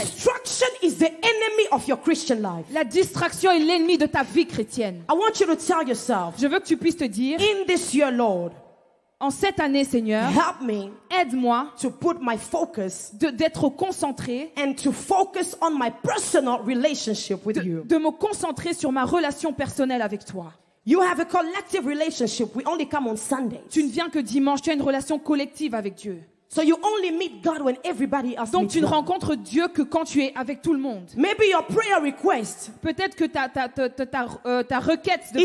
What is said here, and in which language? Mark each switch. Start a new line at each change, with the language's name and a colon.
English: Distraction is the enemy of your Christian life.
French: La distraction est l'ennemi de ta vie chrétienne.
English: I want you to tell yourself.
French: Je veux que tu puisses te dire.
English: In this year, Lord.
French: En cette année, Seigneur,
English: help me,
French: aide-moi
English: to put my focus,
French: d'être concentré,
English: and to focus on my personal relationship with you.
French: De me concentrer sur ma relation personnelle avec toi.
English: You have a collective relationship. We only come on Sundays.
French: Tu ne viens que dimanche. Tu as une relation collective avec Dieu.
English: So you only meet God when everybody else.
French: Donc tu ne rencontres Dieu que quand tu es avec tout le monde.
English: Maybe your prayer request.
French: Peut-être que ta requête de